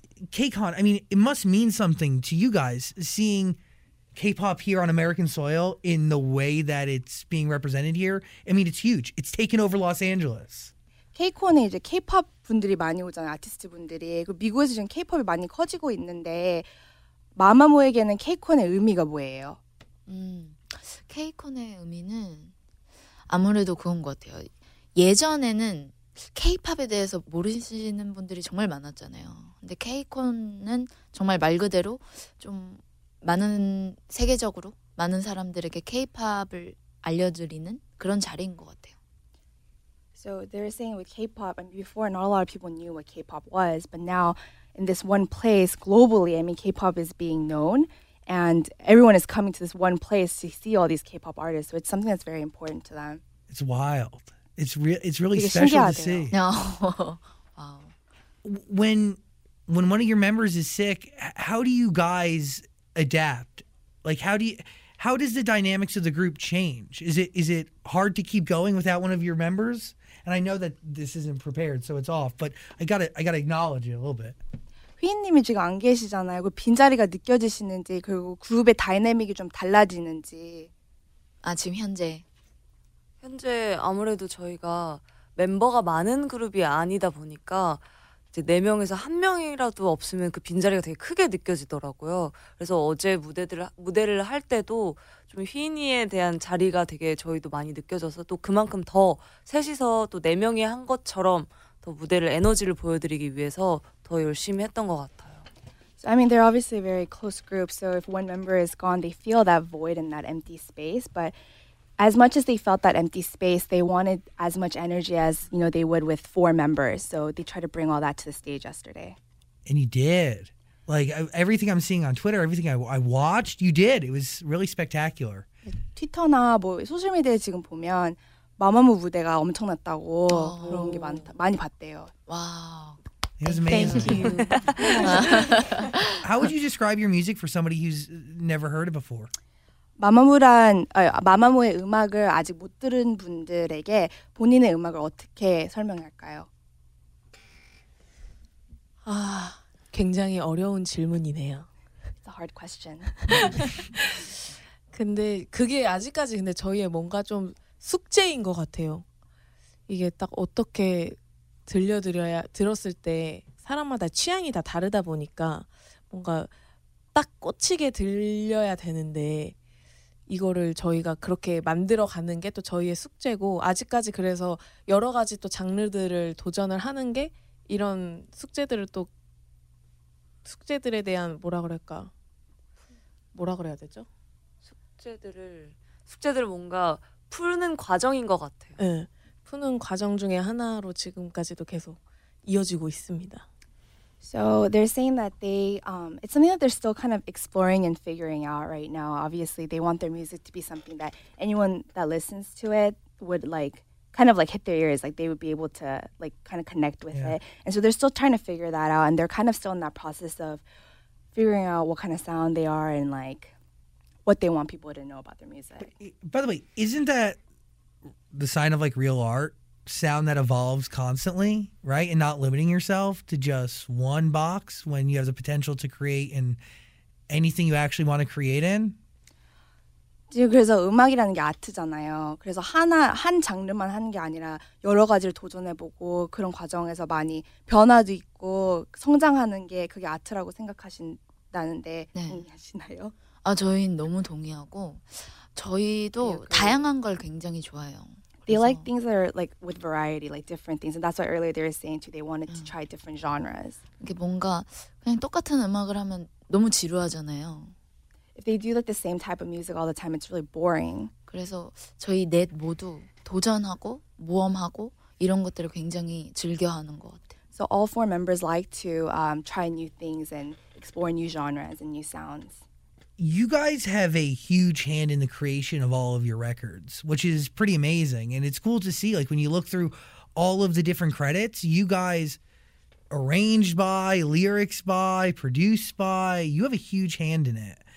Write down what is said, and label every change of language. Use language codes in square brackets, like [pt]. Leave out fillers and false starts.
[en] KCON, I mean, it must mean something to you guys seeing K-pop here on American soil in the way that it's being represented here. I mean, it's huge. It's taken over Los Angeles. [ko] KCON에 이제 K-pop 분들이 많이 오잖아요, 아티스트 분들이. 그리고 미국에서 지금 K-pop이 많이 커지고 있는데 마마무에게는 KCON의 의미가 뭐예요? KCON의 의미는 아무래도 그런 것 같아요. 예전에는 K-pop에 대해서 모르시는 분들이 정말 많았잖아요. 근데 K-콘은 정말 말 그대로 좀 많은 세계적으로 많은 사람들에게 K-pop을 알려드리는 그런 자리인 것 같아요. [en] So they're saying with K-pop, and before not a lot of people knew what K-pop was, but now in this one place globally, I mean, K-pop is being known, and everyone is coming to this one place to see all these K-pop artists. So it's something that's very important to them. It's wild. It's really special to see. No. Wow. When one of your members is sick, how do you guys adapt? Like how does the dynamics of the group change? Is it hard to keep going without one of your members? And I know that this isn't prepared, so it's off, but I got to acknowledge it a little bit. [ko] 휘인님이 지금 안 계시잖아요. 그 빈자리가 느껴지시는지 그리고 그룹의 다이내믹이 좀 달라지는지. 아, 지금 현재 아무래도 저희가 멤버가 많은 그룹이 아니다 보니까 이제 네 명에서 한 명이라도 없으면 그 빈자리가 되게 크게 느껴지더라고요. 그래서 어제 무대를 할 때도 좀 휘인이에 대한 자리가 되게 저희도 많이 느껴져서 또 그만큼 더 셋이서 또 네 명이 한 것처럼 더 무대를 에너지를 보여드리기 위해서 더 열심히 했던 것 같아요. [en] So, I mean, they're obviously a very close group, so if one member is gone, they feel that void and that empty space. But as much as they felt that empty space, they wanted as much energy as, you know, they would with four members. So they tried to bring all that to the stage yesterday. And you did. Like, everything I'm seeing on Twitter, everything I watched, you did. It was really spectacular. [ko] 트위터나 뭐 소셜미디어 지금 보면 마마무 무대가 엄청났다고 그런 게 많이 봤대요. [en] Wow. It was amazing. Thank you. How would you describe your music for somebody who's never heard it before? [ko] 마마무의 음악을 아직 못 들은 분들에게 본인의 음악을 어떻게 설명할까요? 아, 굉장히 어려운 질문이네요. [en] It's a hard question. [ko] 근데 그게 아직까지 근데 저희의 뭔가 좀 숙제인 것 같아요. 이게 딱 어떻게 들려드려야 들었을 때 사람마다 취향이 다 다르다 보니까 뭔가 딱 꽂히게 들려야 되는데 이거를 저희가 그렇게 만들어가는 게 또 저희의 숙제고 아직까지 그래서 여러 가지 또 장르들을 도전을 하는 게 이런 숙제들을 또 숙제들에 대한 뭐라 그래야 되죠? 숙제들을 뭔가 푸는 과정인 것 같아요. 네. 푸는 과정 중에 하나로 지금까지도 계속 이어지고 있습니다. [en] So they're saying that it's something that they're still kind of exploring and figuring out right now. Obviously, they want their music to be something that anyone that listens to it would like kind of like hit their ears, like they would be able to like kind of connect with it. And so they're still trying to figure that out and they're kind of still in that process of figuring out what kind of sound they are and like what they want people to know about their music. By the way, isn't that the sign of like real art, sound that evolves constantly, right? And not limiting yourself to just one box when you have the potential to create in anything you actually want to create in. [ko] 그래서 음악이라는 게 아트잖아요. 그래서 한 장르만 하는 게 아니라 여러 가지를 도전해보고 그런 과정에서 많이 변화도 있고 성장하는 게 그게 아트라고 생각하신다는데 네. 동의하시나요? 아, 저희는 너무 동의하고 저희도 다양한 걸 굉장히 좋아해요. [en] They like things that are like with variety, like different things. And that's what earlier they were saying too. They wanted to try different genres. [ko] 이게 뭔가 그냥 똑같은 음악을 하면 너무 지루하잖아요. [en] If they do like the same type of music all the time, it's really boring. [ko] 그래서 저희 넷 모두 도전하고 모험하고 이런 것들을 굉장히 즐겨하는 것 같아요. [en] So all four members like to try new things and explore new genres and new sounds. You guys have a huge hand in the creation of all of your records, which is pretty amazing. And it's cool to see, like, when you look through all of the different credits, you guys arranged by, lyrics by, produced by, you have a huge hand in it.